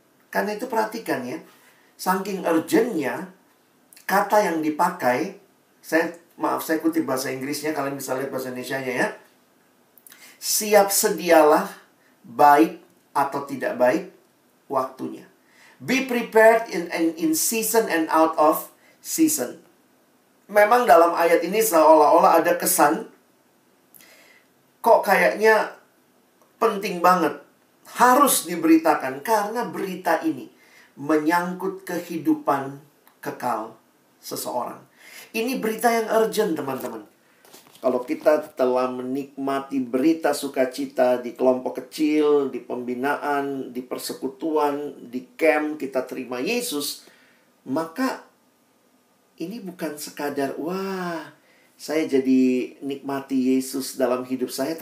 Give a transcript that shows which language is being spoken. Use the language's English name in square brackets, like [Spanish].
[Indonesian] Karena itu perhatikan ya, saking urgentnya, kata yang dipakai, saya kutip bahasa Inggrisnya, kalian bisa lihat bahasa Indonesianya ya. Siap sedialah, baik atau tidak baik, waktunya. [English] Be prepared in season and out of season. [Indonesian] Memang dalam ayat ini seolah-olah ada kesan, kok kayaknya penting banget, harus diberitakan, karena berita ini menyangkut kehidupan kekal seseorang. Ini berita yang urgent, teman-teman. Kalau kita telah menikmati berita sukacita di kelompok kecil, di pembinaan, di persekutuan, di camp, kita terima Yesus, maka ini bukan sekadar, wah, saya jadi nikmati Yesus dalam hidup saya.